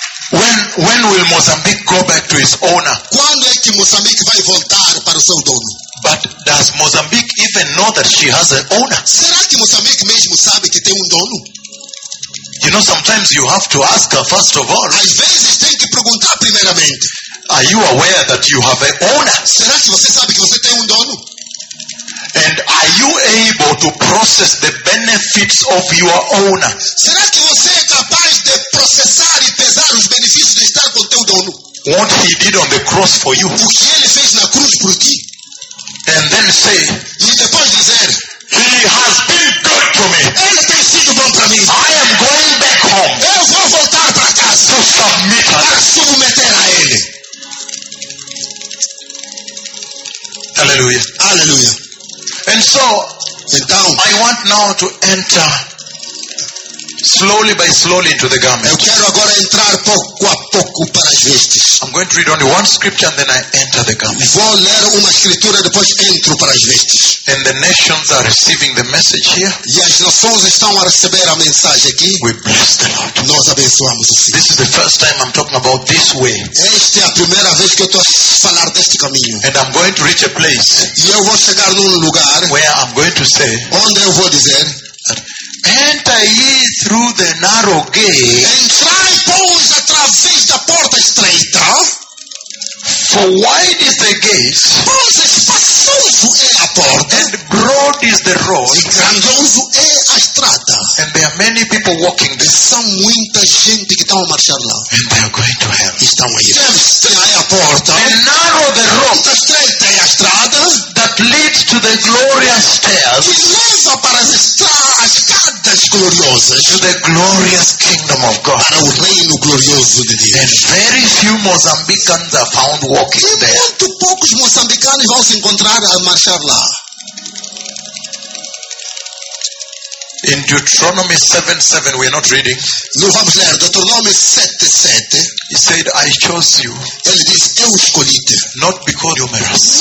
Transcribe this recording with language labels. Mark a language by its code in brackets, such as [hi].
[en] When will Mozambique go back to its owner? [pt] Quando è che Mozambique vai voltare para o seu dono? [en] But does Mozambique even know that she has an owner? [pt] Será que Mozambique mesmo sabe que tem dono? [en] You know, sometimes you have to ask her first of all. [pt] Às vezes tem que perguntar primeiramente. [en] Are you aware that you have an owner? [pt] Será que você sabe que você tem dono? [en] And are you able to process the benefits of your owner? [pt] Será que você é capaz de processar e pesar os benefícios de estar com teu dono? [en] What he did on the cross for you. [pt] O que ele fez na cruz por ti. [en] And then say, [pt] e depois dizer, [en] he has been good to me. [pt] Ele tem sido bom para mim. [en] I am going back home. [pt] Eu vou voltar para casa. [en] To submit [pt] para submeter a ele. Aleluia. Aleluia. [en] And so, [pt] então, [en] I want now to enter slowly by slowly into the garment. [pt] Eu quero agora entrar pouco a pouco para as vestes. [en] I'm going to read only one scripture and then I enter the garment. [pt] Vou ler uma escritura e depois entro para as vestes. [en] And the nations are receiving the message here. [pt] E as nações estão a receber a mensagem aqui. [en] We bless the Lord. [pt] Nós abençoamos o Senhor. [en] This is the first time I'm talking about this way. [pt] Esta é a primeira vez que eu estou a falar deste caminho. [en] And I'm going to reach a place. [pt] E eu vou chegar num lugar. [en] Where I'm going to say. [pt] Onde eu vou dizer. [en] Enter ye through the narrow gate. [pt] Entrai, pois, através da porta estreita. [en] For wide is the gate. [pt] Pois, espaçoso é a porta. [en] And broad is the road. [pt] E grandioso é a estrada. [en] And there are many people walking there. [pt] São muita gente que estão a marchar lá. [en] And they are going to hell. [pt] Estão a ir. Estreita é a porta. [en] And narrow the road. [pt] Estreita é a estrada. [en] That leads to the glorious stairs. [pt] Que leva para as estradas. Gloriosas, [en] to the glorious kingdom of God. [pt] Para o reino glorioso de Deus. [en] And very few Mozambicans are found walking there. [pt] E muito poucos moçambicanos vão se encontrar a marchar lá. [en] In Deuteronomy 7:7, we are not reading. [pt] Não vamos ler. Deuteronomy 7:7. [en] He said, "I chose you." [pt] Ele diz, "Eu escolhi-te." [en] Not because you're numerous.